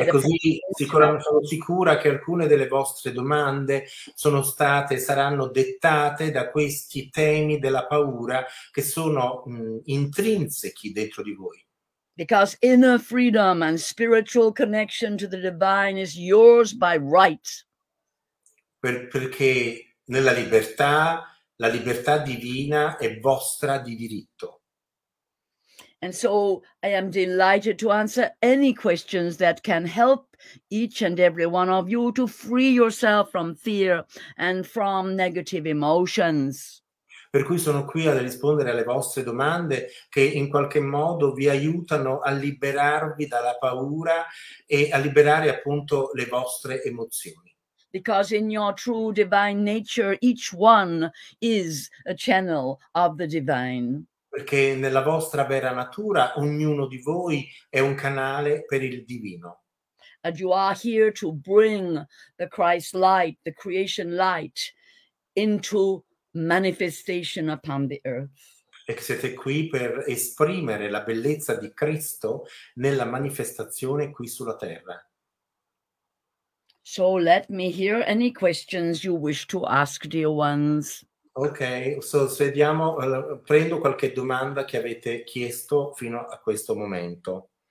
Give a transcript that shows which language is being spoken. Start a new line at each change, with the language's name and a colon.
Italian: E
English: the
Italian: così
English: pressure.
Italian: sono sicura che alcune delle vostre domande saranno dettate da questi temi della paura che sono intrinsechi dentro di voi.
English: Because inner freedom and spiritual connection to the divine is yours by right.
Italian: Perché nella libertà, la libertà divina è vostra di diritto.
English: And so I am delighted to answer any questions that can help each and every one of you to free yourself from fear and from negative emotions.
Italian: Per cui sono qui a rispondere alle vostre domande che in qualche modo vi aiutano a liberarvi dalla paura e a liberare appunto le vostre emozioni.
English: Because in your true divine nature, each one is a channel of the divine.
Italian: perché nella vostra vera natura ognuno di voi è un canale per il divino.
English: And you are here to bring the Christ light, the creation light, into manifestation upon the earth.
Italian: E che siete qui per esprimere la bellezza di Cristo nella manifestazione qui sulla terra.
English: So let me hear any questions you wish to ask, dear ones.
Italian: Ok, prendo qualche domanda che avete chiesto fino a questo momento.